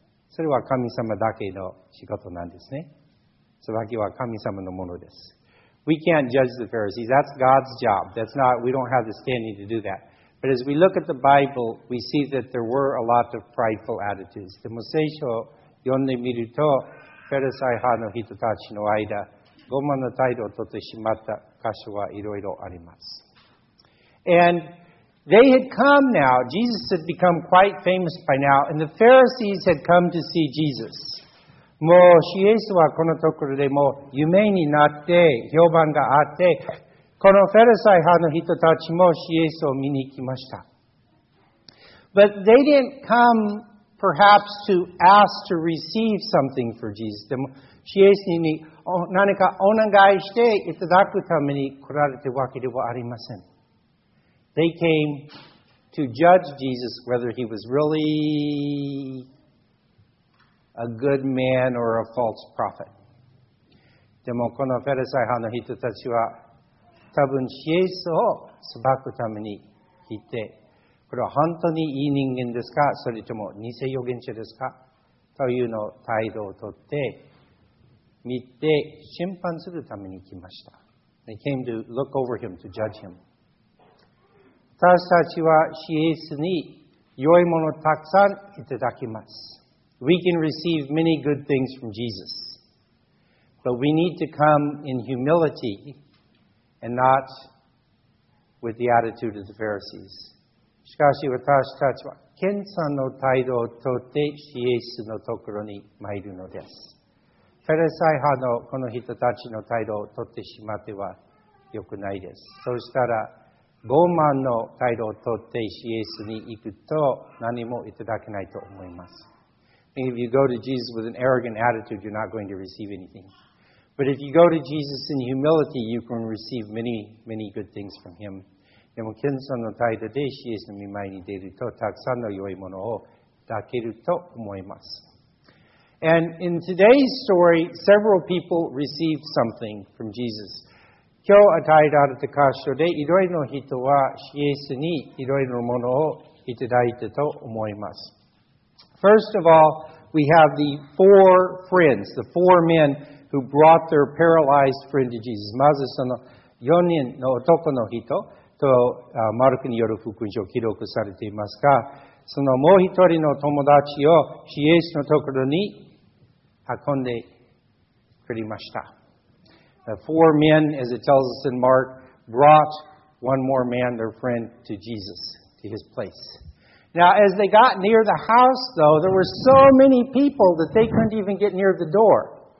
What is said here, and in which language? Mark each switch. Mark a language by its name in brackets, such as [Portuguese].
[Japanese] それは神様だけの仕事なんですね。裁きは神様のものです。 [English] We can't judge the Pharisees. That's God's job. That's not, we don't have the standing to do that. But as we look at the Bible, we see that there were a lot of prideful attitudes. [Japanese] でも聖書を読んでみると、ペルサイ派の人たちの間、傲慢の態度をとってしまった箇所はいろいろあります。 [English] And,They had come now, Jesus had become quite famous by now, and the Pharisees had come to see Jesus. [Japanese] もう、主イエスはこのところでもう有名になって、評判があって、このフェルサイ派の人たちも主イエスを見に行きました。 [English] But they didn't come perhaps to ask to receive something for Jesus. [Japanese] でも、主イエスに何かお願いしていただくために来られてるわけではありません。 [English] They came to judge Jesus whether he was really a good man or a false prophet. [Japanese] でもこのフェルサイ派の人たちは多分イエスを裁くために来て、これは本当にいい人間ですか、それとも偽預言者ですかというの態度をとって見て審判するために来ました。 [English] They came to look over him, to judge him. [Japanese] 私たちはイエスに良いものをたくさんいただきます。 [English] We can receive many good things from Jesus. But we need to come in humility and not with the attitude of the Pharisees. [Japanese] しかし私たちは謙遜の態度をとってイエスのところに参るのです。フェルサイ派のこの人たちの態度をとってしまっては良くないです。そうしたら傲慢の態度をとってイエスに行くと何もいただけないと思います。 [English] And if you go to Jesus with an arrogant attitude, you're not going to receive anything. But if you go to Jesus in humility, you can receive many, many good things from Him. [Japanese] でも謙遜の態度でイエスの御前に出るとたくさんの良いものをいただけると思います。 [English] And in today's story, several people received something from Jesus. [Japanese] 今日与えられた箇所でいろいろな人はイエスにいろいろなものをいただいたと思います。 [English] First of all, we have the four friends, the four men who brought their paralyzed friend to Jesus. [Japanese] まずその四人の男の人とマルクによる福音書を記録されていますが、そのもう一人の友達をイエスのところに運んでくれました。 [English] The four men, as it tells us in Mark, brought one more man, their friend, to Jesus, to his place. Now, as they got near the house, though, there were so many people that they couldn't even get near the door.